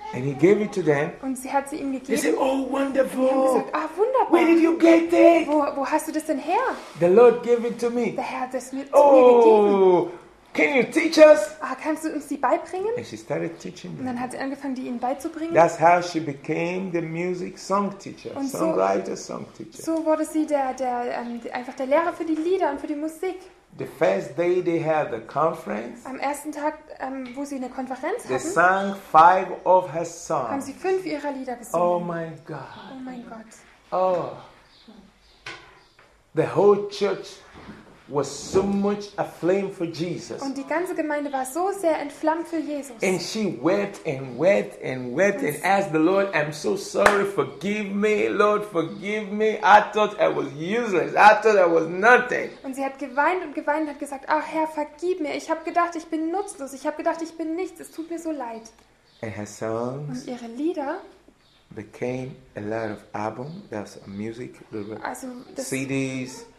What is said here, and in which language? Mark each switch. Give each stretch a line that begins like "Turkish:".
English: And he gave it to them.
German: Und sie hat sie ihm gegeben.
English: They said, "Oh, wonderful!"
German: Und sie haben gesagt, ah, wunderbar.
English: Where did you get it?
German: Wo hast du das denn her?
English: The Lord gave it to me.
German: Der Herr hat es mir gegeben.
English: Can you teach us?
German: Ah, kannst du uns die beibringen?
English: And she started teaching them.
German: Und dann hat sie angefangen, die ihnen beizubringen.
English: That's how she became the music song teacher,
German: und so,
English: songwriter song teacher.
German: So wurde sie einfach der Lehrer für die Lieder und für die Musik.
English: The first day they had the conference.
German: Am ersten Tag, wo sie eine Konferenz hatten.
English: They sang five of her songs.
German: Haben sie fünf ihrer Lieder gesungen.
English: Oh my God.
German: Oh mein Gott. Oh.
English: The whole church was so much aflame for Jesus.
German: Und die ganze Gemeinde war so sehr entflammt für Jesus.
English: And she wept and wept and wept and asked the Lord, "I'm so sorry, forgive me, Lord, forgive me. I thought I was useless. I thought I was nothing."
German: Und sie hat geweint und geweint und hat gesagt, "Ach Herr, vergib mir. Ich habe gedacht, ich bin nutzlos. Ich habe gedacht, ich bin nichts. Es tut mir so leid."
English: And her songs.
German: Und ihre Lieder.
English: Became a lot of album. That's music.
German: Also CDs.